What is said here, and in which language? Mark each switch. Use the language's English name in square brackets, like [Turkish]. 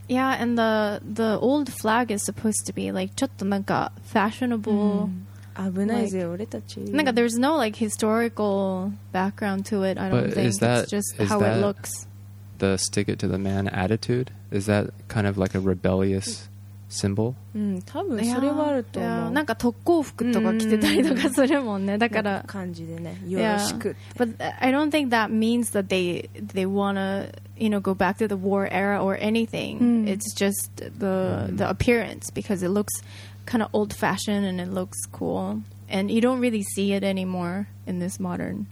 [English] Yeah, and the old flag is supposed to be like [Japanese] ちょっとなんか [English] fashionable. [Japanese] 危ないぜ俺たち。なんか [English] there's no like historical background to it. I don't think it's just how it looks. The stick it to the man attitude is that kind of like a rebellious symbol? [Japanese] 多分それはあると思う。なんか特攻服とか着てたりとかするもんね。だから感じでね、よろしくって。 [English] But I don't think that means that they wanna, you know, go back to the war era or anything. It's just the appearance because it looks kind of old fashioned and it looks cool. And you don't really see it anymore in this modern